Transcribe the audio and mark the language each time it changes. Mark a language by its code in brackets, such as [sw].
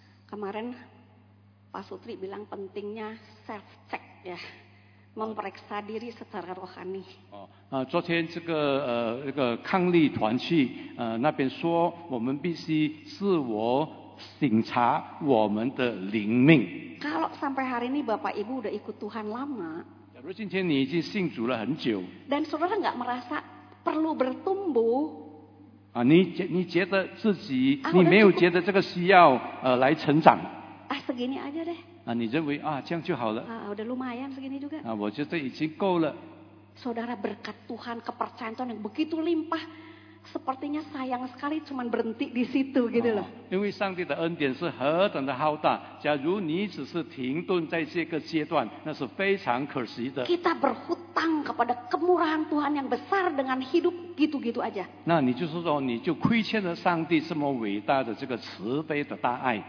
[id] Kemarin Pak Sutri bilang pentingnya self check ya. Memeriksa diri secara rohani. [zh] 昨天这个抗力团去那边说，我们必须自我省察我们的灵命。 [id] Kalau sampai hari ini Bapak Ibu udah ikut Tuhan lama. [zh] 假如今天你已经信主了很久。 [id] Dan saudara nggak merasa perlu bertumbuh. [zh] 你觉得自己，你没有觉得这个需要来成长。 [id] Segini aja deh. [zh] 你认为啊这样就好了。 [id] Udah lumayan segini juga. [zh] 我觉得已经够了。 [id] Saudara berkat Tuhan, kepercayaan Tuhan yang begitu limpah, sepertinya sayang sekali cuman berhenti di situ gitu loh. [zh] 因为上帝的恩典是何等的浩大，假如你只是停顿在这个阶段，那是非常可惜的。 [id] Kita berhutang kepada kemurahan Tuhan yang besar dengan hidup gitu-gitu aja. [zh] 那你就是说，你就亏欠了上帝这么伟大的这个慈悲的大爱。